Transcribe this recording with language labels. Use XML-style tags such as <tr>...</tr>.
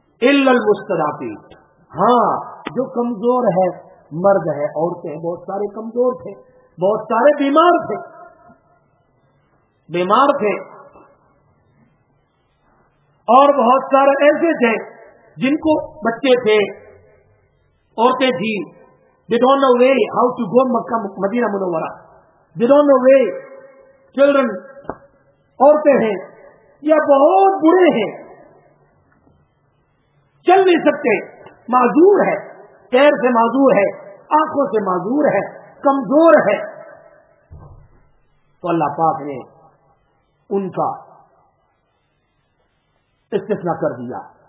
<ar>اِلَّا الْمُسْتَضْعَفِينَ,</ar> <ur>ہاں جو کمزور ہے, مرد ہے, عورتیں, بہت سارے کمزور تھے, بہت سارے بیمار تھے, بیمار تھے, اور بہت سارے ایسے تھے جن کو بچے تھے, عورتیں تھیں.</ur> <en>They don't know way how to go Makkah, Madina Munawwara. They don't know way.</en> <ur>Children, عورتیں ہیں یا بہت برے ہیں, چل نہیں سکتے, معذور ہے, پیر سے معذور ہے, آنکھوں سے معذور ہے, کمزور ہے, تو اللہ پاک نے ان کا استثناء کر دیا.</ur>